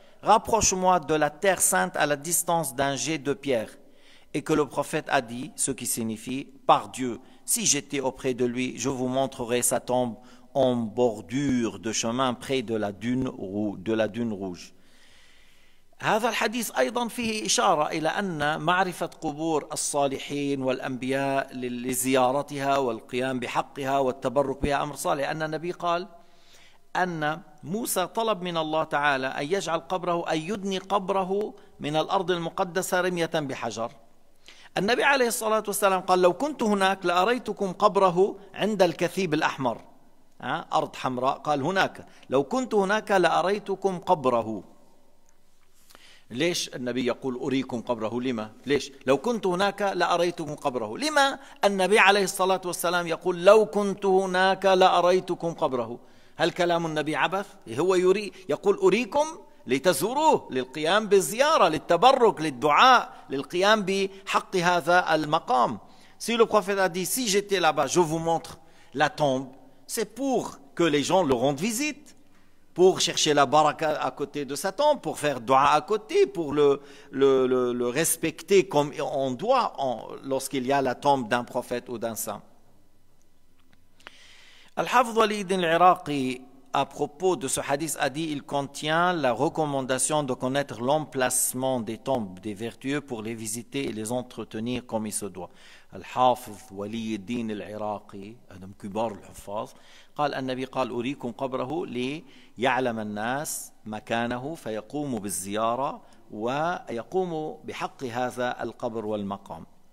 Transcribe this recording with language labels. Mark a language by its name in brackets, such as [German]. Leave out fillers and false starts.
[French] rapproche-moi de la terre sainte à la distance d'un jet de pierre. » Et que le prophète a dit, ce qui signifie « Par Dieu, si j'étais auprès de lui, je vous montrerai sa tombe en bordure de chemin près de la dune, rouge. » [Arabic] هذا الحديث أيضا فيه إشارة إلى أن معرفة قبور الصالحين والأنبياء لزيارتها والقيام بحقها والتبرك بها أمر صالح. أن النبي قال أن موسى طلب من الله تعالى أن يجعل قبره أن يدني قبره من الأرض المقدسة رمية بحجر. النبي عليه الصلاة والسلام قال لو كنت هناك لأريتكم قبره عند الكثيب الأحمر أرض حمراء. قال هناك لو كنت هناك لأريتكم قبره. ليش النبي يقول أريكم قبره؟ لما ليش لو كنت هناك لأريتكم قبره؟ لما النبي عليه الصلاة والسلام يقول لو كنت هناك لأريتكم قبره؟ هل كلام النبي عبث؟ هو يري يقول أريكم لتزوروه، للقيام بالزيارة، للتبرك، للدعاء، للقيام بحق هذا المقام. [French] Si le prophète a dit si j'étais là-bas, je vous montre la tombe, c'est pour que les gens le rendent visite, pour chercher la baraka à côté de sa tombe, pour faire dua à côté, pour le respecter comme on doit lorsqu'il y a la tombe d'un prophète ou d'un saint. Al-Hafdh Walid al-Iraqi, à propos de ce hadith, a dit il contient la recommandation de connaître l'emplacement des tombes des vertueux pour les visiter et les entretenir comme il se doit. [Arabic] Al-Hafdh Walid al-Iraqi, Adam Kubar al-Hafaz, قال النبي قال أريكم قبره ليعلم الناس مكانه فيقوم بالزيارة ويقوم بحق هذا القبر والمقام.